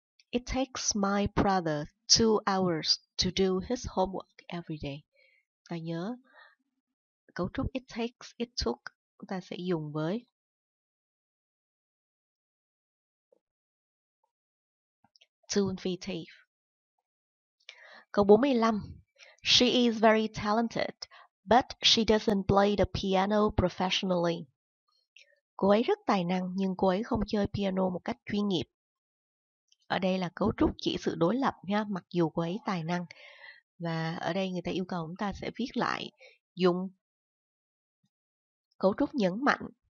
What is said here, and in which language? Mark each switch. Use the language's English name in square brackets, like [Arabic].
[English] It takes my brother 2 hours to do his homework every day. [Vietnamese] Ta nhớ cấu trúc it takes, it took, ta sẽ dùng với to infinitive. Câu 45. [English] She is very talented, but she doesn't play the piano professionally. [Vietnamese] Cô ấy rất tài năng, nhưng cô ấy không chơi piano một cách chuyên nghiệp. Ở đây là cấu trúc chỉ sự đối lập nha, mặc dù cô ấy tài năng. Và ở đây người ta yêu cầu chúng ta sẽ viết lại dùng cấu trúc nhấn mạnh.